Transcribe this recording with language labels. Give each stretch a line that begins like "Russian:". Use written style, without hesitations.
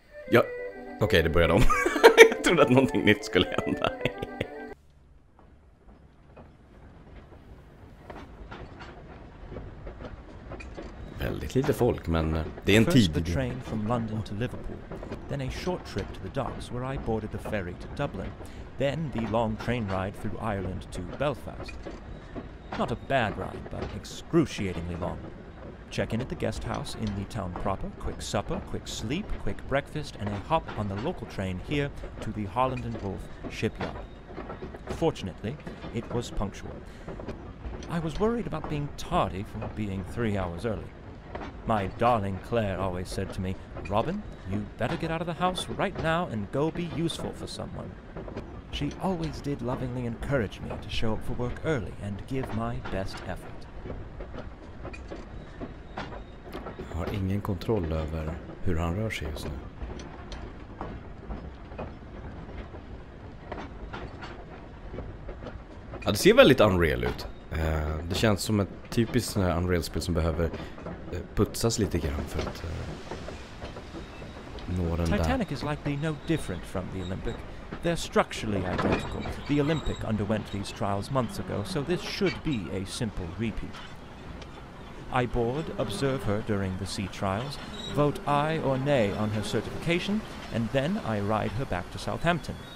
Swedish: Ja, okej, det började om. Jag trodde att någonting nytt skulle hända. Väldigt lite folk, men det är en tid.
English: First the train from London to Liverpool, then a short trip to the docks where I boarded the ferry to Dublin, then the long train ride through Ireland to Belfast. Not a bad ride, but excruciatingly long. Check in at the guest house in the town proper, quick supper, quick sleep, quick breakfast, and a hop on the local train here to the Harland and Wolff shipyard. Fortunately, it was punctual. I was worried about being tardy for being 3 hours early. My darling Claire always said to me, Robin, you better get out of the house right now and go be useful for someone. She always did lovingly encourage me to show up for work early and give my best effort.
Swedish: Jag har ingen kontroll över hur han rör sig just nu. Ja, det ser väldigt unreal ut. Det känns som ett typiskt Unreal-spel som behöver putsas lite grann för att nå den Titanic där.
English: Titanic is likely no different from the Olympic. They're structurally identical. The Olympic underwent these trials months ago, so this should be a simple repeat. I board, observe her during the sea trials, vote aye or nay on her certification, and then I ride her back to Southampton.